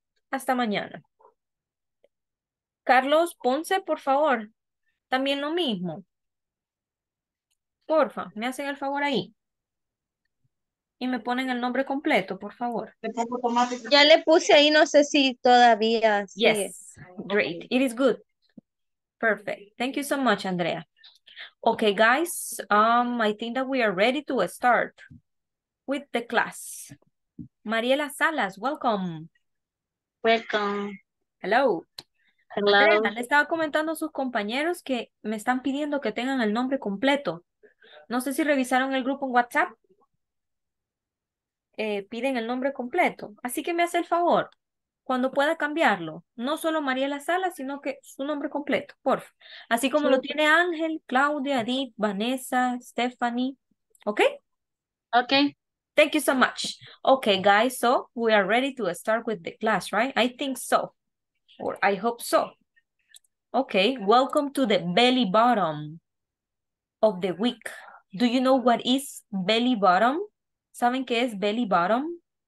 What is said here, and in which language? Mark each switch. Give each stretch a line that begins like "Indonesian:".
Spanish: hasta mañana. Carlos Ponce, por favor. También lo mismo. Porfa, me hacen el favor ahí. Y me ponen el nombre completo, por favor. Ya le puse ahí, no sé si todavía sigue.
English: Yes, great. It is good. Perfect. Thank you so much, Andrea. Okay, guys, I think that we are ready to start with the class. Mariela Salas, welcome. Welcome. Hello. Andrea, Hello.
Spanish: le estaba comentando a sus compañeros que me están pidiendo que tengan el nombre completo. No sé si revisaron el grupo en WhatsApp. Piden el nombre completo. Así que me hace el favor, cuando pueda cambiarlo, no solo Mariela Salas, sino que su nombre completo, por favor. Así como lo tiene Ángel, Claudia, Edith, Vanessa, Stephanie. ¿Ok?
English: Okay. Thank you so much. Okay, guys, so we are ready to start with the class, right? I think so. Or I hope so. Okay, welcome to the belly bottom of the week. Do you know what is belly bottom?
Spanish: ¿Saben qué es belly bottom?